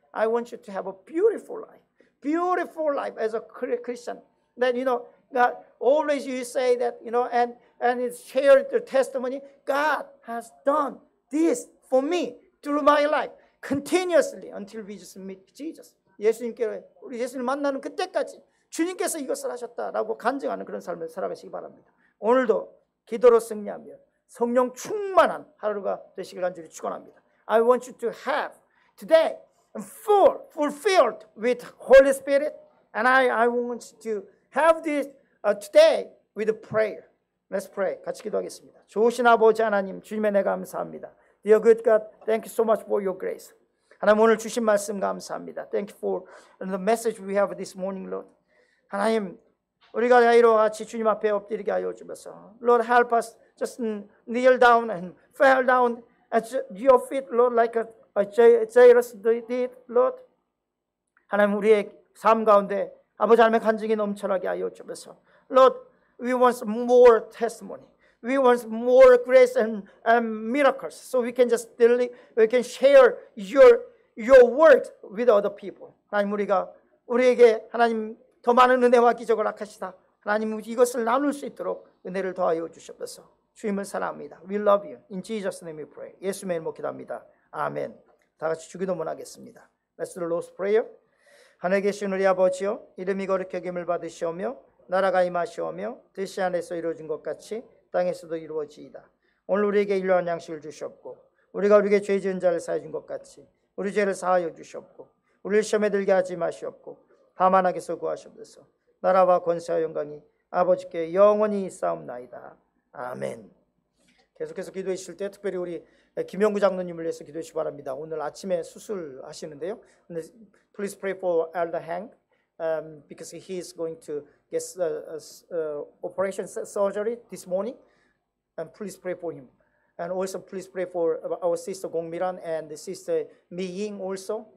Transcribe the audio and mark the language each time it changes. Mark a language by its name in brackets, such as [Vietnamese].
[English] I want you to have a beautiful life. Beautiful life as a Christian. That God always you say that and it's shared the testimony. God has done this for me through my life continuously until we just meet Jesus. [Korean] 예수님께 우리 예수님을 만나는 그때까지 주님께서 이것을 하셨다라고 간증하는 그런 삶을 살아가시기 바랍니다. 오늘도 기도로 승리하며 성령 충만한 하루가 되시길 간절히 축원합니다. [English] I want you to have today fulfilled with Holy Spirit, and I want to have this today with a prayer. Let's pray. [Korean] 같이 기도하겠습니다. 좋으신 아버지 하나님, 주님의 내가 감사합니다. [English] Dear good God, thank you so much for your grace. [Korean] 하나님 오늘 주신 말씀 감사합니다. [English] Thank you for the message we have this morning, Lord. [Korean] 하나님 우리가 이로 같이 주님 앞에 엎드리게 하여 주면서 [English] Lord, help us just kneel down and fall down at your feet, Lord, like a Jairus did, Lord. [Korean] 하나님 우리의 삶 가운데 아버지 하나님의 간증이 넘쳐나게 하여 주면서 [English] Lord, we want more testimony. We want more grace and miracles so we can just deliver, we can share your word with other people. [Korean] 하나님 우리가 우리에게 하나님 더 많은 은혜와 기적을 악하시다. 하나님 이것을 나눌 수 있도록 은혜를 더하여 주셔서 주님을 사랑합니다. [English] We love you. In Jesus' name we pray. [Korean] 예수의 이름으로 기도합니다. 아멘. 다 같이 주기도문 하겠습니다. [English] Let's do the Lord's Prayer. [Korean] 하늘에 계신 우리 아버지여 이름이 거룩하게임을 받으시오며 나라가 임하시오며 뜻이 하늘에서 이루어진 것 같이 땅에서도 이루어지이다. 오늘 우리에게 일용할 양식을 주셨고 우리가 우리에게 죄 지은 자를 사해준 것 같이 우리 죄를 사하여 주셨고 우리를 시험에 들게 하지 마시옵고 다만 악에서 구하시옵소서. 나라와 권세와 영광이 아버지께 영원히 있사옵나이다. 아멘. 계속해서 기도해 주실 때 특별히 우리 김영구 장로님을 위해서 기도해 주시기 바랍니다. 오늘 아침에 수술하시는데요. [English] Please pray for Elder Hank because he is going to get operation surgery this morning. And please pray for him. And also please pray for our sister Gong Miran and the sister Mi Ying also.